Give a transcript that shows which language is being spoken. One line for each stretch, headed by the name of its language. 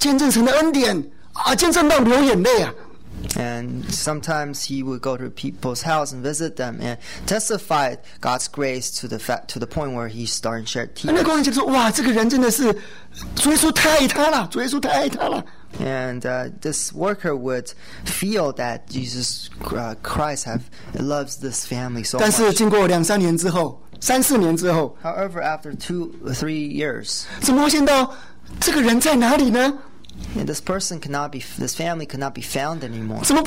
Chinese: 他跟到那个教会去的时候呢，有时候去家庭访问，看到有些家庭真的是哦，见证神的恩典啊，见证到流眼泪啊。
English: And sometimes he would go to people's house and visit them and testify God's grace to the point where he started shed tears.
Chinese: 那工人就说：“哇，这个人真的是，主耶稣太爱他了，主耶稣太爱他了。”
English: And this worker would feel that Jesus Christ loves this family so much.
Chinese: 但是经过两三年之后，三四年之后，
English: However, after 2 or 3 years,
Chinese: 怎么现到这个人在哪里呢？
English: And this person cannot be, this family cannot be found anymore.